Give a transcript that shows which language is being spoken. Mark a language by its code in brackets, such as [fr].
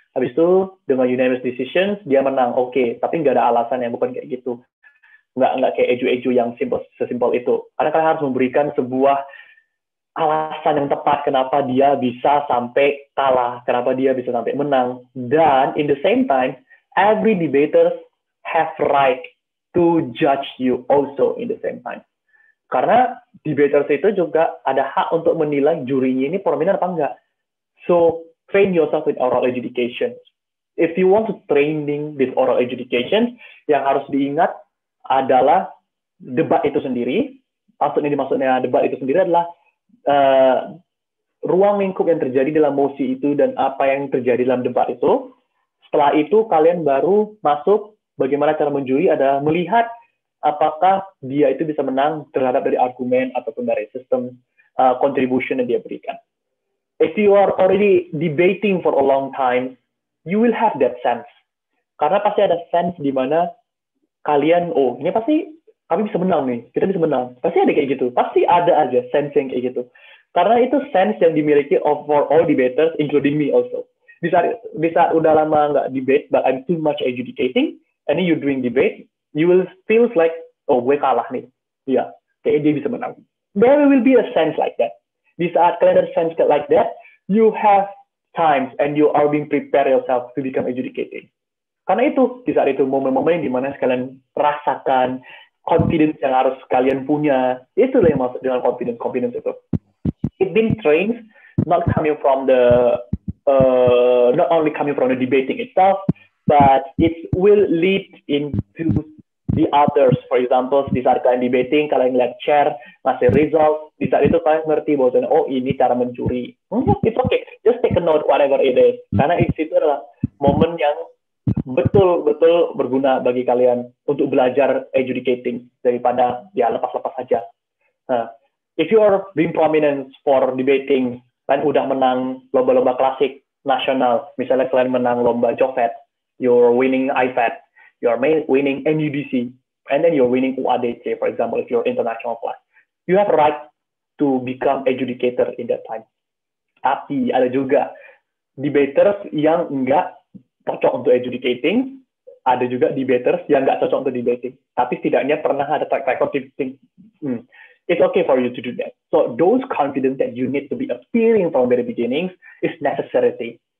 [id] Habis itu, dengan unanimous decision, dia menang, okay. Tapi nggak ada alasan yang bukan kayak gitu. nggak kayak eju-eju yang simple, sesimpel itu. Karena kalian harus memberikan sebuah alasan yang tepat kenapa dia bisa sampai kalah, kenapa dia bisa sampai menang. [en] Dan in the same time, every debater have right to judge you also in the same time. [id] Karena debaters itu juga ada hak untuk menilai jurinya ini prominent apa enggak. [en] So, train yourself with oral adjudication. If you want to training this oral adjudication, [id] yang harus diingat adalah debat itu sendiri. Maksudnya dimaksudnya debat itu sendiri adalah ruang lingkup yang terjadi dalam mosi itu dan apa yang terjadi dalam debat itu. Setelah itu, kalian baru masuk bagaimana cara menjuri adalah melihat apakah dia itu bisa menang terhadap dari argumen ataupun dari sistem contribution yang dia berikan. [en] If you are already debating for a long time, you will have that sense. [id] Karena pasti ada sense di mana kalian, oh ini pasti kami bisa menang nih, kita bisa menang. Pasti ada kayak gitu, pasti ada aja sense yang kayak gitu. Karena itu sense yang dimiliki [en] for all debaters, including me also. [id] Bisa udah lama nggak debate, [en] but I'm too much adjudicating, and then you doing debate, you will feel like, [id] oh gue kalah nih. Ya, kayaknya dia bisa menang. [en] There will be a sense like that. [id] Di saat kalian ada [en] sense like that, you have times and you are being prepared yourself to become adjudicating. [id] Karena itu, di saat itu momen-momen yang dimana kalian rasakan confidence yang harus kalian punya, itulah yang maksud dengan confidence-confidence itu. [en] It been trained, not coming from the, not only coming from the debating itself, but it will lead into the others. For example, [id] di saat kalian debating, kalian lihat chair, masih result, di saat itu kalian ngerti bahwa, oh ini cara mencuri. [en] It's okay, just take a note, whatever it is. [id] Karena itu adalah momen yang betul-betul berguna bagi kalian untuk belajar adjudicating daripada ya lepas-lepas saja. [en] Nah, if you are being prominent for debating, [id] kalian udah menang lomba-lomba klasik nasional, misalnya kalian menang lomba Jofet, [en] you're winning IFAT, you're winning NUDC, and then you're winning UADC, for example, if you're international class. You have right to become adjudicator in that time. [id] Tapi ada juga debaters yang enggak cocok untuk adjudicating, ada juga debaters yang enggak cocok untuk debating, tapi setidaknya pernah ada track record debating. [en] It's okay for you to do that. So those confidence that you need to be appearing from the beginning is necessary.